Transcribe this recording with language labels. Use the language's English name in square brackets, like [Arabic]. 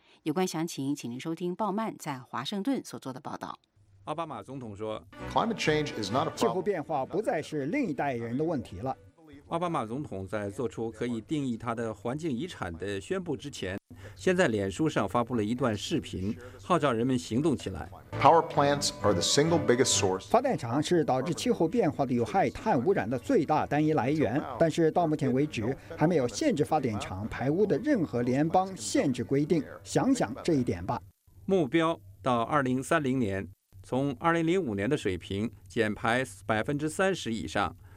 [Chinese] 有关详情请您收听鲍曼在华盛顿所做的报道。奥巴马总统说，气候变化不再是另一代人的问题了。奥巴马总统在做出可以定义他的环境遗产的宣布之前，先在脸书上发布了一段视频，号召人们行动起来。 [English] Power plants are the single biggest source. [Chinese] 发电厂是导致气候变化的有害碳污染的最大单一来源，但是到目前为止还没有限制发电厂排污的任何联邦限制规定。想想这一点吧。目标到2030年，从2005年的水平减排30%以上。